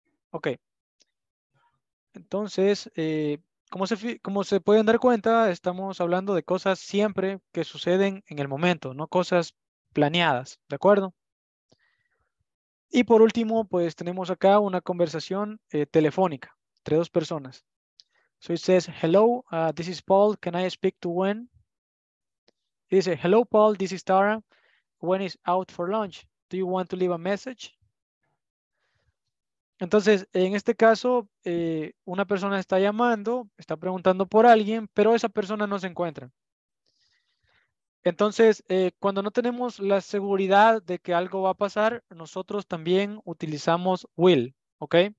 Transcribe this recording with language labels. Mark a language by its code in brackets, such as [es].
[es] Ok. Entonces, como se pueden dar cuenta, estamos hablando de cosas siempre que suceden en el momento, no cosas planeadas, ¿de acuerdo? Y por último, pues tenemos acá una conversación telefónica entre dos personas. [en] So it says, hello, this is Paul, can I speak to Gwen? He says, hello Paul, this is Tara, Gwen is out for lunch, do you want to leave a message? [es] Entonces, en este caso, una persona está llamando, está preguntando por alguien, pero esa persona no se encuentra. Entonces, cuando no tenemos la seguridad de que algo va a pasar, nosotros también utilizamos will, ¿ok?